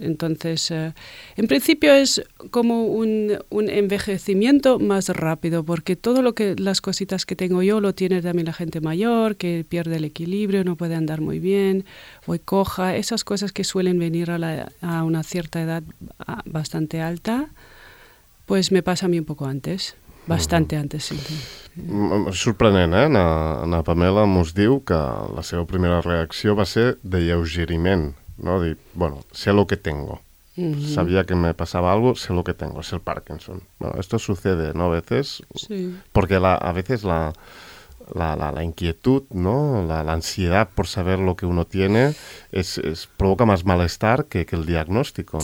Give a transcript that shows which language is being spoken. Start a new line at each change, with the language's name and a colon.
Spanish: Entonces, en principio es como un envejecimiento más rápido, porque todo lo que las cositas que tengo yo lo tiene también la gente mayor, que pierde el equilibrio, no puede andar muy bien, voy coja, esas cosas que suelen venir a una cierta edad bastante alta, pues me pasa a mí un poco antes. Bastante antes, sí.
Catalan: Sorprenent, eh? Na Pamela mos diu que la seva primera reacció va ser de lleugeriment.
Spanish: No, dir, bueno, sé lo que tengo. Sabía que me pasaba algo, sé lo que tengo, es el Parkinson. Bueno, esto sucede, ¿no? A veces, sí. Porque a veces la inquietud, ¿no? La ansiedad por saber lo que uno tiene es provoca más malestar que el diagnóstico, ¿no?